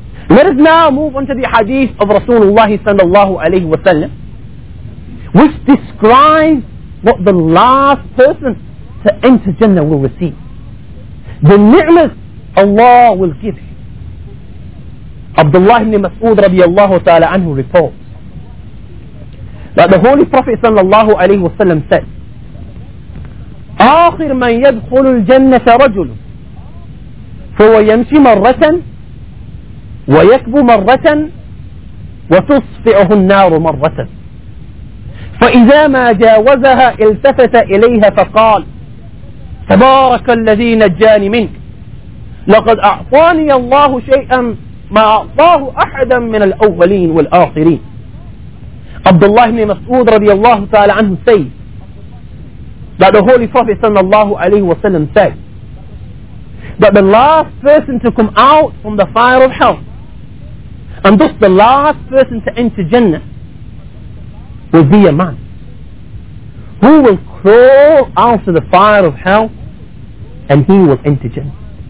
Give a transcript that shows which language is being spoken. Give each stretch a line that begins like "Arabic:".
English: Let us now move on to the hadith of Rasulullah sallallahu alayhi wa sallam, which describes what the last person to enter Jannah will receive, the ni'mas Allah will give him. Abdullah ibn Mas'ud radiyallahu ta'ala anhu reports that the Holy Prophet sallallahu alayhi wa sallam said,
Arabic: آخر من يدخل الجنة رجل فهو يمشي مرة ويكبو مرة وتصفئه النار مرة فإذا ما جاوزها التفت إليها فقال تبارك الذي نجاني منك لقد أعطاني الله شيئا ما أعطاه أحدا من الأولين والآخرين.
English: عبد الله بن مسعود رضي الله تعالى عنه سيد that the Holy Prophet sallallahu alayhi wa sallam said that the last person to come out from the fire of hell and thus the last person to enter Jannah will be a man who will crawl out of the fire of hell and he will enter Jannah.